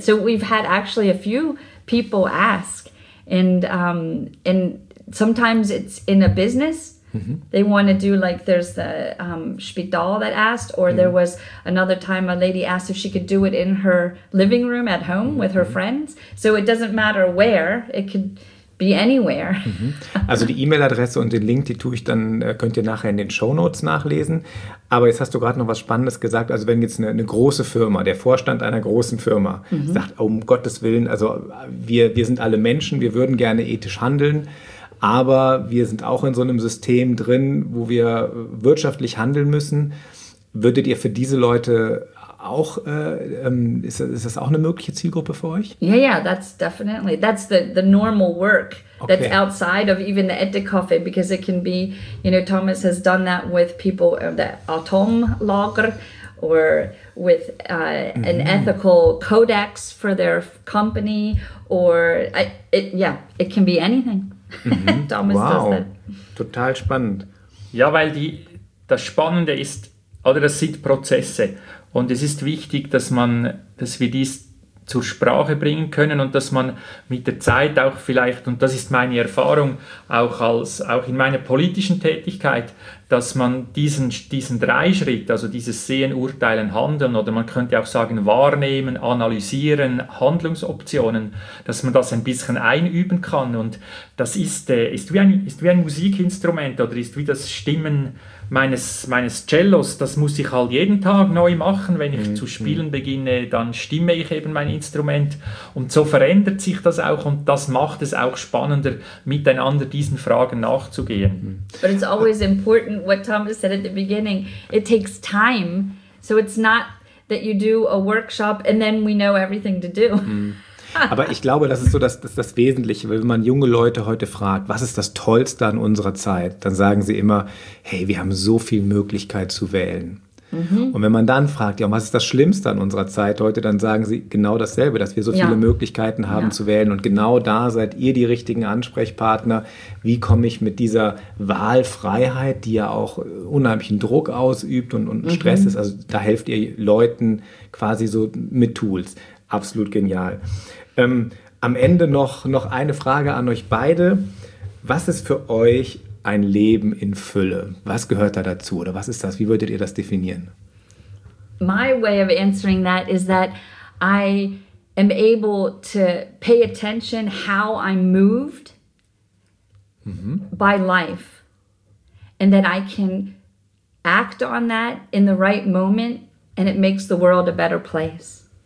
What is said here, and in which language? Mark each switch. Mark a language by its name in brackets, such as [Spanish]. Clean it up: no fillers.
[English] So we've had actually a few people ask, and sometimes it's in a business. Mm-hmm. They want to do, like, there's the Spital that asked, or there was another time a lady asked if she could do it in her living room at home with her friends. So it doesn't matter where, it could be anywhere. [German] Also die E-Mail-Adresse und den Link, die tue ich dann, könnt ihr nachher in den Shownotes nachlesen. Aber jetzt hast du gerade noch was Spannendes gesagt. Also wenn jetzt eine große Firma, der Vorstand einer großen Firma sagt, um Gottes Willen, also wir sind alle Menschen, wir würden gerne ethisch handeln, aber wir sind auch in so einem System drin, wo wir wirtschaftlich handeln müssen. Würdet ihr für diese Leute auch, ist das auch eine mögliche Zielgruppe für euch? [English] Yeah, yeah, that's definitely, that's the normal work that's outside of even the Ethic Coffee, because it can be, you know, Thomas has done that with people, the Atomlager, or with an ethical codex for their company, it can be anything. [German] Wow, total spannend. Ja, weil das Spannende ist, oder das sind Prozesse, und es ist wichtig, dass wir dies zur Sprache bringen können und dass man mit der Zeit auch vielleicht, und das ist meine Erfahrung auch in meiner politischen Tätigkeit, dass man diesen Dreischritt, also dieses Sehen, Urteilen, Handeln, oder man könnte auch sagen Wahrnehmen, Analysieren, Handlungsoptionen, dass man das ein bisschen einüben kann. Und das ist wie ein Musikinstrument, oder ist wie das Stimmen meines Cellos. Das muss ich halt jeden Tag neu machen. Wenn ich zu spielen beginne, dann stimme ich eben mein Instrument. Und so verändert sich das auch, und das macht es auch spannender, miteinander diesen Fragen nachzugehen. [English] But it's always important what Thomas said at the beginning. It takes time. So it's not that you do a workshop and then we know everything to do. [German] Aber ich glaube, das ist so das Wesentliche, weil wenn man junge Leute heute fragt, was ist das Tollste an unserer Zeit, dann sagen sie immer, hey, wir haben so viel Möglichkeit zu wählen. Und wenn man dann fragt, ja, was ist das Schlimmste an unserer Zeit heute, dann sagen sie genau dasselbe, dass wir so viele Möglichkeiten haben zu wählen, und genau da seid ihr die richtigen Ansprechpartner. Wie komme ich mit dieser Wahlfreiheit, die ja auch unheimlichen Druck ausübt und Stress ist, also da helft ihr Leuten quasi so mit Tools. Absolut genial. Am Ende noch eine Frage an euch beide. Was ist für euch ein Leben in Fülle? Was gehört da dazu? Oder was ist das? Wie würdet ihr das definieren? [English] My way of answering that is that I am able to pay attention how I'm moved by life. And that I can act on that in the right moment, and it makes the world a better place.